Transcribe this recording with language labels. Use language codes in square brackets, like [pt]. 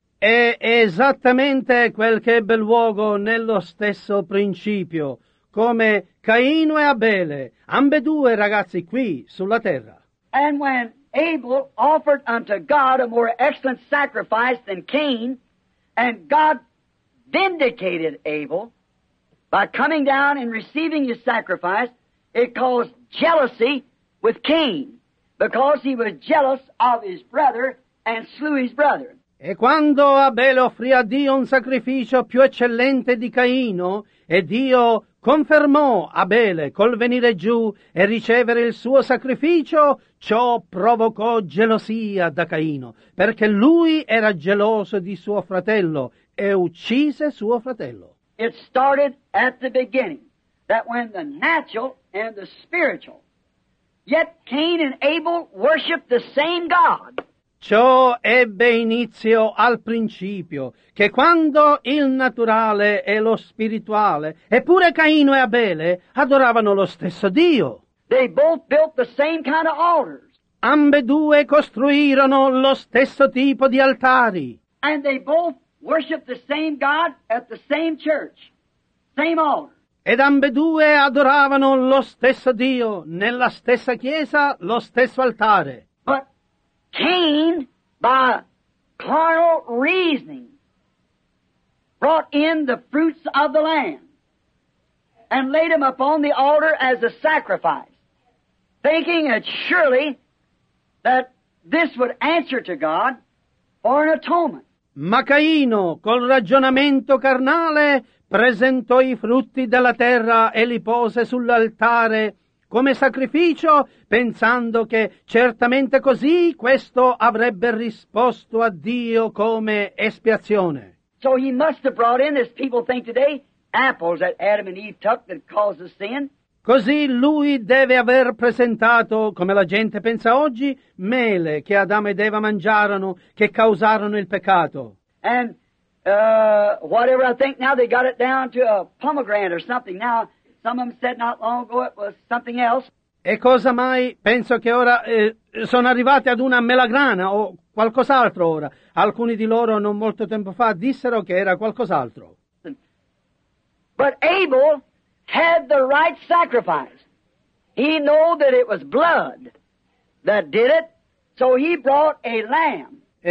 [it] È esattamente quel che ebbe luogo nello stesso principio, come Caino e Abele, ambedue ragazzi qui sulla terra. [en] And when Abel offered unto God a more excellent sacrifice than Cain, and God vindicated Abel by coming down and receiving his sacrifice, it caused jealousy with Cain, because he was jealous of his brother and slew his brother. [it] E quando Abele offrì a Dio un sacrificio più eccellente di Caino, e Dio confermò Abele col venire giù e ricevere il suo sacrificio, ciò provocò gelosia da Caino, perché lui era geloso di suo fratello e uccise suo fratello. [en] It started at the beginning, that when the natural and the spiritual, yet Cain and Abel worshipped the same God. [it] Ciò ebbe inizio al principio, che quando il naturale e lo spirituale, eppure Caino e Abele, adoravano lo stesso Dio. [en] They both built the same kind of altars. [it] Ambedue costruirono lo stesso tipo di altari. [en] And they both worshiped the same God at the same church, same altar. [it] Ed ambedue adoravano lo stesso Dio, nella stessa chiesa, lo stesso altare. [en] Cain, by carnal reasoning, brought in the fruits of the land and laid them upon the altar as a sacrifice, thinking it surely that this would answer to God for an atonement. [it] Ma Caino, col ragionamento carnale, presentò i frutti della terra e li pose sull'altare come sacrificio, pensando che certamente così questo avrebbe risposto a Dio come espiazione. [en] So he must have brought in, as people think today, apples that Adam and Eve took that caused the sin. [it] Così lui deve aver presentato, come la gente pensa oggi, mele che Adamo ed Eva mangiarono, che causarono il peccato. [en] And whatever I think now, they got it down to a pomegranate or something. Now, some of them said not long ago it was something else. [it] E cosa mai, penso che ora sono arrivati ad una melagrana o qualcos'altro ora. Alcuni di loro non molto tempo fa dissero che era qualcos'altro. [en] But Abel had the right sacrifice. He knew that it was blood that did it, so he brought a lamb.